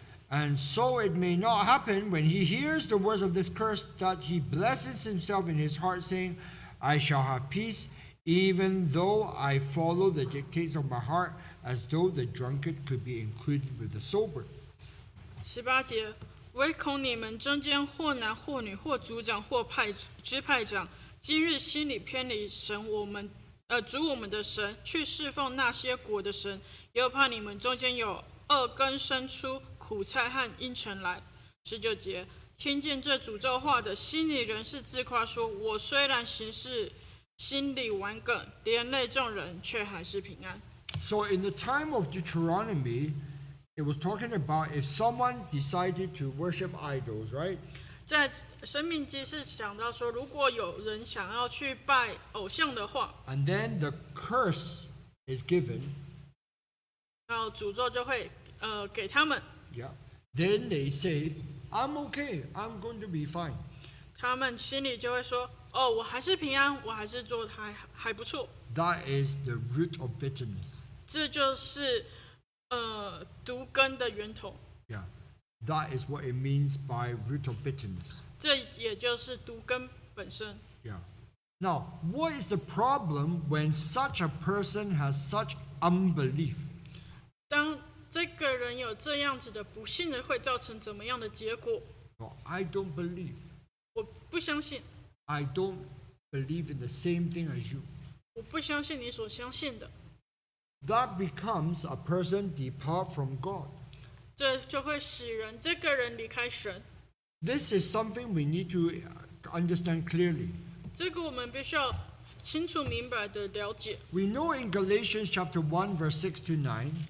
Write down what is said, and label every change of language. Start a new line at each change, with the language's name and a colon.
English: And so it may not happen when he hears the words of this curse that he blesses himself in his heart, saying, I shall have peace. Even though I follow the dictates of my heart, as though the drunkard could be included with the sober.
Chinese: 十八节，唯恐你们中间或男或女，或族长或支派长，今日心里偏离神我们，主我们的神，去侍奉那些国的神，又怕你们中间有恶根生出苦菜和阴尘来。十九节，听见这诅咒话的心里仍是自夸说，我虽然行事。心里顽梗，连累众人，却还是平安。
English: So in the time of Deuteronomy, it was talking about if someone decided to worship idols, right?
Chinese: 在生命记是讲到说，如果有人想要去拜偶像的话
English: ，and then the curse is given，
Chinese: 然后诅咒就会给他们。
English: Yeah， then they say I'm okay， I'm going to be fine。
Chinese: 他们心里就会说，哦，我还是平安，我还是做的还不错。
English: That is the root of bitterness。
Chinese: 这就是毒根的源头。 Yeah。
English: That is what it means by root of bitterness.
Chinese: 这也就是毒根本身。 Yeah.
English: Now, what is the problem when such a person has such unbelief?
Chinese: 当这个人有这样子的不信任，会造成怎么样的结果？
English: Well, I don't believe.
Chinese: 我不相信。
English: I don't believe in the same thing as you.
Chinese: 我不相信你所相信的。
English: That becomes a person depart from God.
Chinese: 这就会使人这个人离开神。
English: This is something we need to understand clearly.
Chinese: 这个我们必须要清楚明白的了解。
English: We know in Galatians chapter 1 verse 6 to 9.